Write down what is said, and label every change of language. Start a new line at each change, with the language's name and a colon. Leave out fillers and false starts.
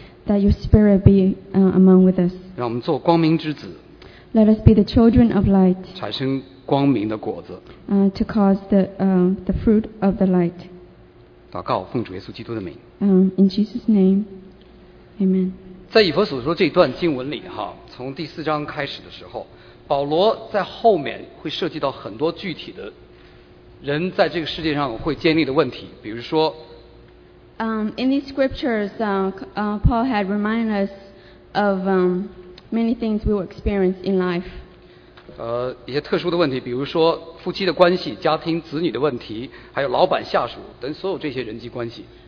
English: That your spirit be among with us.
Chinese: 让我们做光明之子。
English: Let us be the children of light.
Chinese: 产生光明的果子。
English: To cause the fruit of the light.
Chinese: 祷告奉主耶稣基督的名。
English: In Jesus' name, Amen.
Chinese: 在以弗所说这段经文里哈，从第四章开始的时候，保罗在后面会涉及到很多具体的。人在这个世界上会建立的问题，比如说
English: In these scriptures, Paul had reminded us of many things we will experience in life.
Chinese: 一些特殊的问题，比如说夫妻的关系、家庭、子女的问题，还有老板、下属等所有这些人际关系。